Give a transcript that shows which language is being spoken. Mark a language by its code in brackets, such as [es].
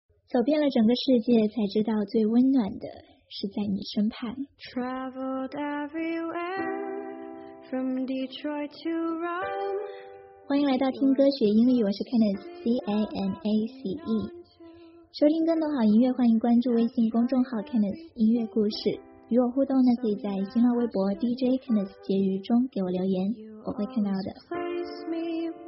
[zh] 走遍了整个世界，才知道最温暖的是在你身旁。 [en] Traveled everywhere, from Detroit to Rome. [zh] 欢迎来到听歌学英语，我是 Canace C-A-N-A-C-E。收听更多好音乐，欢迎关注微信公众号 Canace 音乐故事。与我互动呢，可以在新浪微博 DJ Canace 结语中给我留言，我会看到的。